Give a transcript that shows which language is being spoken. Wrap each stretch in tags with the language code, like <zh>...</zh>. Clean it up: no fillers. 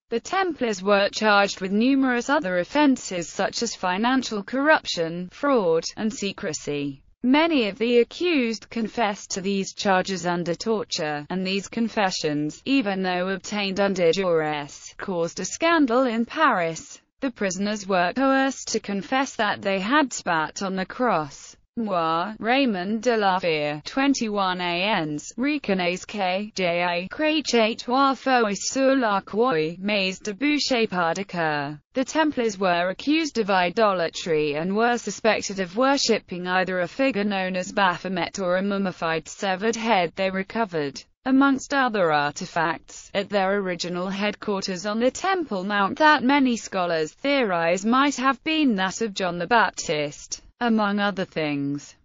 <en>The Templars were charged with numerous other offenses such as financial corruption, fraud, and secrecy. Many of the accused confessed to these charges under torture, and these confessions, even though obtained under duress, caused a scandal in Paris. The prisoners were coerced to confess that they had spat on the cross.</en> <fr>Moi, Raymond de la Vere, 21 ans, reconnais que j'ai craché trois fois sur la croix, mais de boucher pas de coeur.</fr> <en>The Templars were accused of idolatry and were suspected of worshipping either a figure known as Baphomet or a mummified severed head they recovered, amongst other artifacts, at their original headquarters on the Temple Mount that many scholars theorize might have been that of John the Baptist, among other things.</en>